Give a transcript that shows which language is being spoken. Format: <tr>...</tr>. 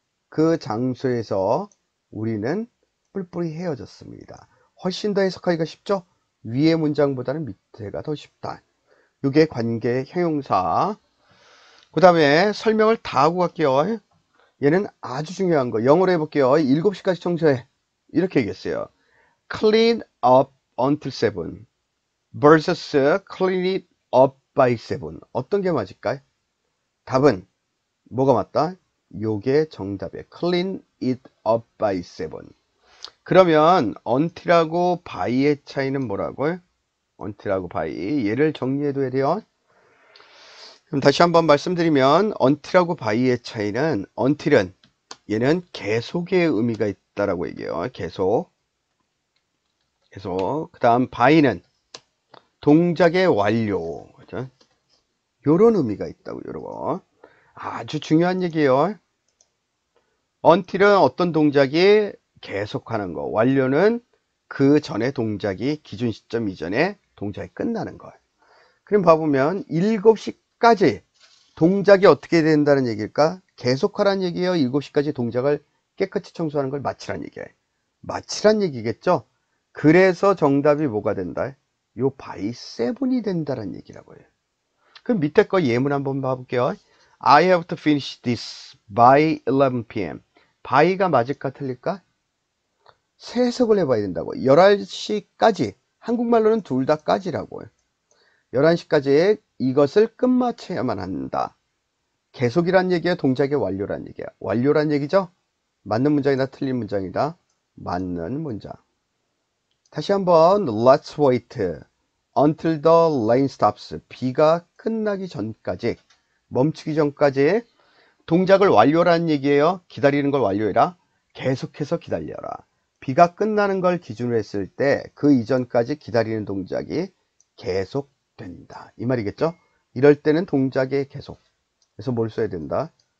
<ko>그 장소에서 우리는 뿔뿔이 헤어졌습니다. 훨씬 더 해석하기가 쉽죠? 위의 문장보다는 밑에가 더 쉽다. 요게 관계 형용사. 그 다음에 설명을 다 하고 갈게요. 얘는 아주 중요한 거. 영어로 해볼게요. 7시까지 청소해. 이렇게 얘기했어요.</ko> <en>Clean up until 7 versus clean it up by 7.</en> <ko>어떤 게 맞을까요? 답은 뭐가 맞다? 요게 정답이에요.</ko> <en>Clean it up by 7.</en> <ko>그러면 until하고 by의 차이는 뭐라고요? until하고 by. 얘를 정리해둬야 돼요. 그럼 다시 한번 말씀드리면, until하고 by의 차이는, until은 얘는 계속의 의미가 있다라고 얘기해요. 계속. 계속. 그 다음 by는 동작의 완료. 그렇죠? 요런 의미가 있다고, 요런 거. 아주 중요한 얘기예요. until은 어떤 동작이 계속하는 거, 완료는 그 전에 동작이 기준 시점 이전에 동작이 끝나는 거예요. 그럼 봐보면 7시까지 동작이 어떻게 된다는 얘기일까? 계속하라는 얘기예요. 7시까지 동작을 깨끗이 청소하는 걸 마치란 얘기예요. 마치란 얘기겠죠? 그래서 정답이 뭐가 된다? 요 바이 세븐이 된다는 얘기라고 해요. 그럼 밑에 거 예문 한번 봐볼게요.</ko> <en>I have to finish this by 11 p.m.</en> <ko>바이가 맞을까 틀릴까? 해석을 해봐야 된다고. 11시까지, 한국말로는 둘다 까지라고요. 11시까지 이것을 끝마쳐야만 한다. 계속이란 얘기야, 동작의 완료란 얘기야. 완료란 얘기죠? 맞는 문장이다, 틀린 문장이다. 맞는 문장. 다시 한번,</ko> <en>let's wait until the rain stops.</en> <ko>비가 끝나기 전까지, 멈추기 전까지 동작을 완료란 얘기예요. 기다리는 걸 완료해라. 계속해서 기다려라. 비가 끝나는 걸 기준으로 했을 때그 이전까지 기다리는 동작이 계속된다. 이 말이겠죠? 이럴 때는 동작의 계속. 그래서 뭘 써야 된다?</ko>